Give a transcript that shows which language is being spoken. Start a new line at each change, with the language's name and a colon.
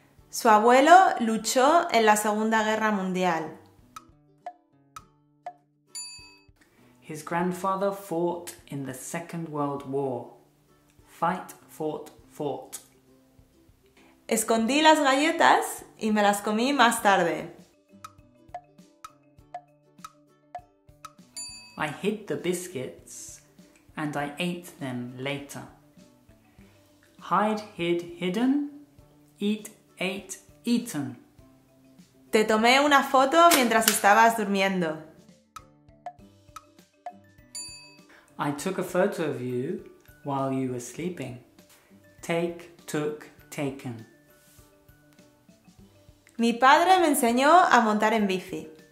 Spanish: Su abuelo luchó en la Segunda Guerra Mundial.
English: His grandfather fought in the Second World War. Fought.
Spanish: Escondí las galletas y me las comí más tarde.
English: I hid the biscuits and I ate them later. Hide, hid, hidden. Eat, ate, eaten.
Spanish: Te tomé una foto mientras estabas durmiendo.
English: I took a photo of you while you were sleeping. Take, took, taken.
Spanish: Mi padre me enseñó a montar en bici.